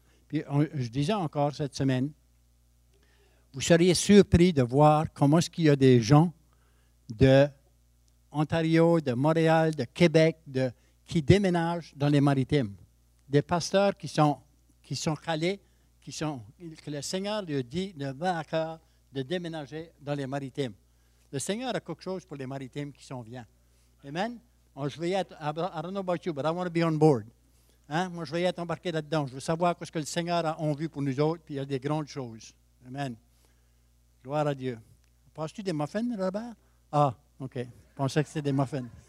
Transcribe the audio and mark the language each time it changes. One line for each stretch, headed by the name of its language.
French: Puis, je disais encore cette semaine, vous seriez surpris de voir comment est-ce qu'il y a des gens de Ontario, de Montréal, de Québec, qui déménagent dans les maritimes. Des pasteurs qui sont calés, que le Seigneur lui dit de bon à cœur, de déménager dans les maritimes. Le Seigneur a quelque chose pour les maritimes qui sont bien. Amen. Moi, je vais être,
English: I don't know about you, but I want to be on board.
French: Hein? Moi, je vais être embarqué là-dedans. Je veux savoir ce que le Seigneur a en vue pour nous autres, puis il y a des grandes choses. Amen. Gloire à Dieu. Penses-tu des muffins, Robert? Ah, OK. Je pensais que c'était des muffins.